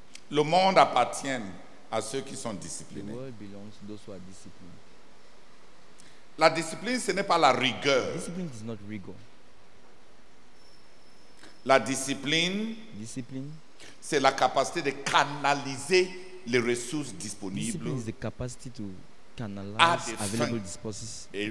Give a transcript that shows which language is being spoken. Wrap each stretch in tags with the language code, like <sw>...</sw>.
<fr>Le monde appartient à ceux qui sont disciplinés.</fr> <en>The world belongs to those who are disciplined.</en> <fr>La discipline, ce n'est pas la rigueur.</fr> <en>Discipline is not rigor.</en> <fr>La discipline, c'est la capacité de canaliser les ressources disponibles.</fr> <en>Discipline is the capacity to canalize available resources.</en>